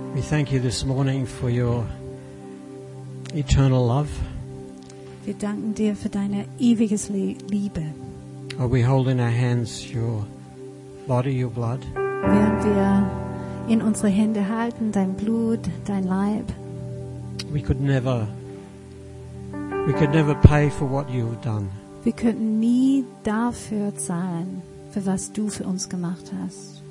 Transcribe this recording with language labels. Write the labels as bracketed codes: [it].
[en] Thank you this morning for your eternal love. [de] Wir danken dir für deine ewige Liebe. [en] Oh, we hold in our hands your body, your blood. [de] Während wir in unsere Hände halten dein Blut, dein Leib. [en] We could never pay for what you have done. [de] Wir könnten nie dafür zahlen, für was du für uns gemacht hast.